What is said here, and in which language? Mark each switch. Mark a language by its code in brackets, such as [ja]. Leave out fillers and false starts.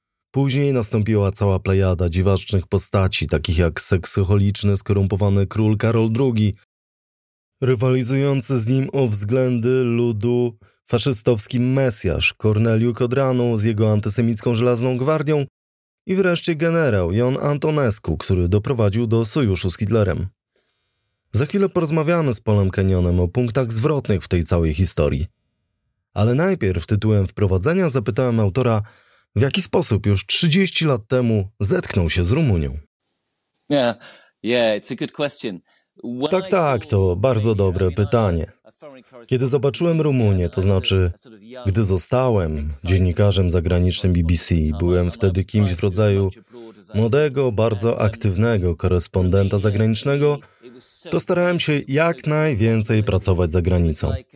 [pl] Później nastąpiła cała plejada dziwacznych postaci, takich jak seksoholiczny, skorumpowany król Karol II, rywalizujący z nim o względy ludu faszystowski mesjasz Korneliu Kodranu z jego antysemicką żelazną gwardią i wreszcie generał Jan Antonescu, który doprowadził do sojuszu z Hitlerem. Za chwilę porozmawiamy z Paulem Kenyonem o punktach zwrotnych w tej całej historii. Ale najpierw tytułem wprowadzenia zapytałem autora, w jaki sposób już 30 lat temu zetknął się z Rumunią. [en] Yeah, it's a good question. [pl] Tak, to bardzo dobre pytanie. Kiedy zobaczyłem Rumunię, to znaczy, gdy zostałem dziennikarzem zagranicznym BBC, byłem wtedy kimś w rodzaju młodego, bardzo aktywnego korespondenta zagranicznego, to starałem się jak najwięcej pracować za granicą.